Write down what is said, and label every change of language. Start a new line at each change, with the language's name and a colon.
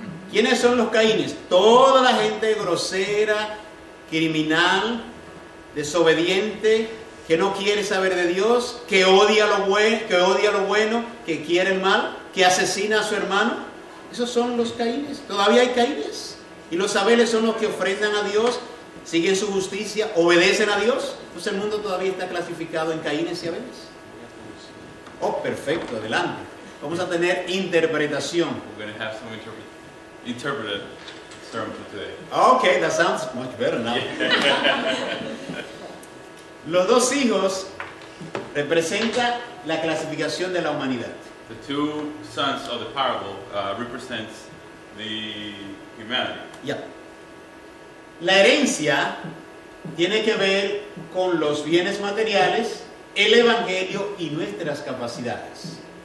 Spanish: ¿Quiénes son los Caínes? Toda la gente grosera, criminal, desobediente, que no quiere saber de Dios, que odia lo bueno, que quiere el mal, que asesina a su hermano. Esos son los Caínes. Todavía hay Caínes. Y los Abeles son los que ofrendan a Dios, siguen su justicia, obedecen a Dios. Pues el mundo todavía está clasificado en Caínes y Abeles. Oh, perfecto, adelante. Vamos a tener interpretación.
English: We're going to have some interpreted sermon for today. Okay, that sounds much better now. Yeah.
Spanish: Los dos hijos representa la clasificación de la humanidad.
English: The two sons of the parable represents the humanity. Yeah.
Spanish: La herencia tiene que ver con los bienes materiales, el evangelio y nuestras capacidades.